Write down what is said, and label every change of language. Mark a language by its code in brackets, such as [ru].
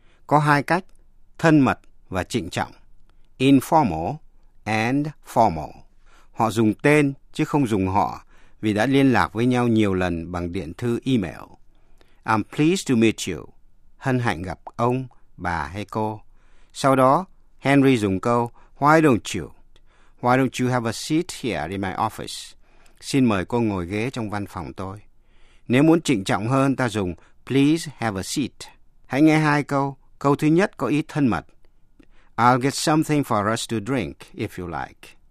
[vi] Có hai cách, thân mật và trịnh trọng. [en] Informal and formal. [vi] Họ dùng tên chứ không dùng họ vì đã liên lạc với nhau nhiều lần bằng điện thư email. [en] I'm pleased to meet you. [vi] Hân hạnh gặp ông, bà hay cô. Sau đó, Henry dùng câu [en] Why don't you have a seat here in my office? [vi] Xin mời cô ngồi ghế trong văn phòng tôi. Nếu muốn trịnh trọng hơn, ta dùng [en] please have a seat. [vi] Hãy nghe hai câu. Câu thứ nhất có ý thân mật. [en] I'll get something for us to drink if you like.